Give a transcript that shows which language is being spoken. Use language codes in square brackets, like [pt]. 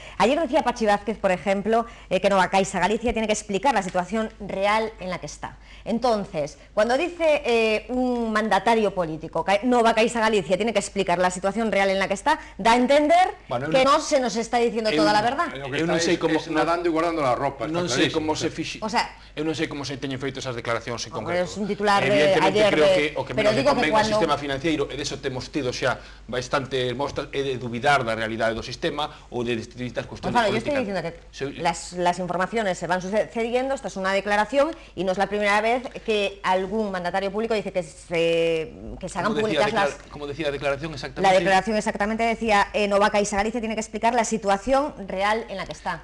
[es] Ayer decía Pachi Vázquez, por ejemplo, que Nova Caixa Galicia tiene que explicar la situación real en la que está. Entonces, cuando dice un mandatario político que Nova Caixa Galicia tiene que explicar la situación real en la que está, da a entender bueno, que no se nos está diciendo toda la verdad. [gl] Eu eu non sei como nadando e guardando a roupa. Non sei como se fixe. [es] O sea, [gl] eu non sei como se teñen feito esas declaracións en concreto. [es] Es un titular de evidentemente ayer, [gl] creo que o que menos convén cuando... o sistema financiero e deso temos tido xa bastante mostras e de dubidar da realidade do sistema ou de distintas cuestións políticas. Eu estou dicindo que [es] las informaciones se van sucediendo, esta es una declaración y no es la primera vez que algún mandatario público dice que se hagan públicas las... Como decía, declaración exactamente... La declaración exactamente decía, Nova Caixa Galicia tiene que explicar la situación real en la que está.